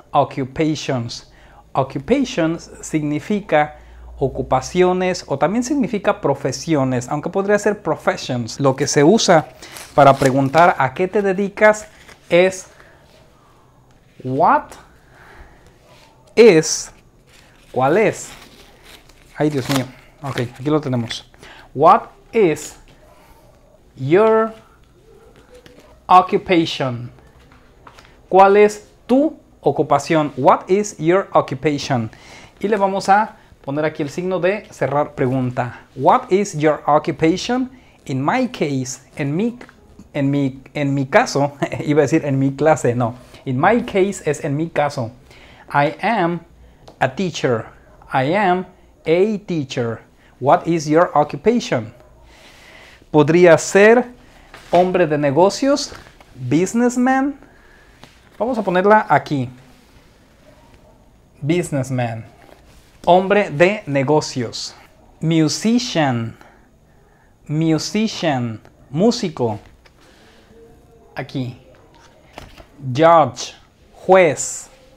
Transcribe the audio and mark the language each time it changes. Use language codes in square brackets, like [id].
[es] Occupations. Occupations significa ocupaciones o también significa profesiones, aunque podría ser professions. Lo que se usa para preguntar a qué te dedicas es [en] what is, [es] cuál es. Ay, Dios mío. Ok, aquí lo tenemos. [en] What is your occupation? [es] ¿Cuál es tu ocupación? [en] What is your occupation? [es] Y le vamos a poner aquí el signo de cerrar pregunta. [en] What is your occupation? In my case, [es] en mi caso, iba a decir en mi clase, no. [en] In my case [es] es en mi caso. [en] I am a teacher. I am a teacher. What is your occupation? [es] Podría ser hombre de negocios, businessman. Vamos a ponerla aquí. Businessman. Hombre de negocios. Musician. Musician. Músico. Aquí. Judge. Juez.